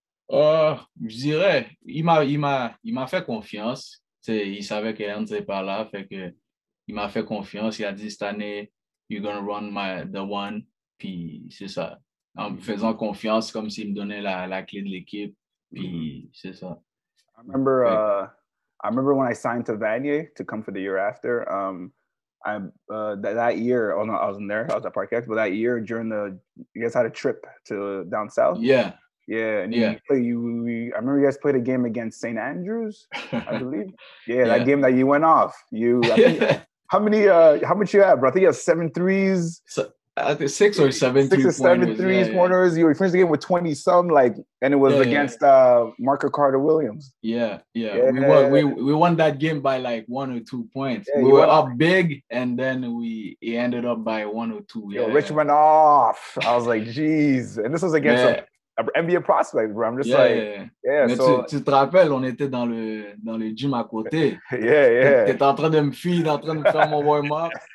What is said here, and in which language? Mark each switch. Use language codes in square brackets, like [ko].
[fr] Je dirais, il m'a fait confiance. T'sais, il savait que Andy n'était pas là, fait que il m'a fait confiance. Il a dit cette année, [en] you're gonna run the one. [fr] Puis c'est ça. En me faisant confiance, comme s'il me donnait la clé de l'équipe. Puis c'est ça. [en] I remember when I signed to Vanier to come for the year after. That year, oh no, I wasn't there. I was at Parquet, but that year during you guys had a trip to down south. I remember you guys played a game against St. Andrews, I believe. That game that you went off. How many? How much you had, bro? I think you had seven threes. So, Six or seven three-pointers. You finished the game with 20-some, like, and it was against Marco Carter Williams. We won that game by, like, 1 or 2 points. Yeah, we were up big, and then he ended up by 1 or 2. Yeah. Yo, Rich went off. I was like, geez. And this was against an NBA prospect, bro. I'm just [fr] Mais so... tu te rappelles, on était dans le gym à côté. [en] Yeah. [fr] T'étais en train de me feed, en train de faire mon warm-up.